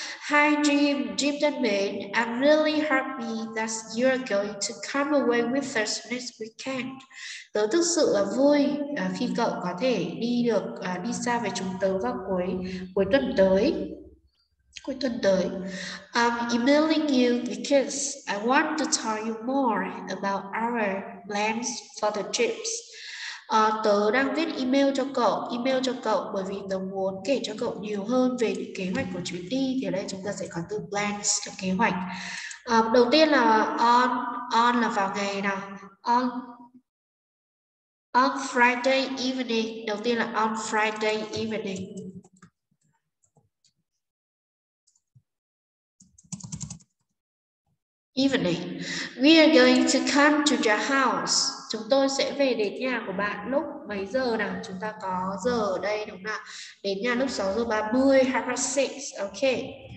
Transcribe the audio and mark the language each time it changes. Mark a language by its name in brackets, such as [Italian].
[English] Hi Jim, [Vietnamese] Jim thân mến, [English] I'm really happy that you're going to come away with us next weekend. [Vietnamese] Tớ thực sự là vui khi cậu có thể đi xa với chúng tớ vào cuối tuần tới. [English] I'm emailing you because I want to tell you more about our plans for the trips. [Vietnamese] Tớ đang viết email cho cậu bởi vì tớ muốn kể cho cậu nhiều hơn về kế hoạch của chuyến đi. Thì ở đây chúng ta sẽ có từ plans cho kế hoạch. Đầu tiên là on là vào ngày nào? [English] On Friday evening. [Vietnamese] Đầu tiên là [English] on Friday evening. Evening. We are going to come to your house. [Vietnamese] Chúng tôi sẽ về đến nhà của bạn lúc mấy giờ nào? Chúng ta có giờ ở đây đúng không ạ? Đến nhà lúc 6:30, 6:30. Okay.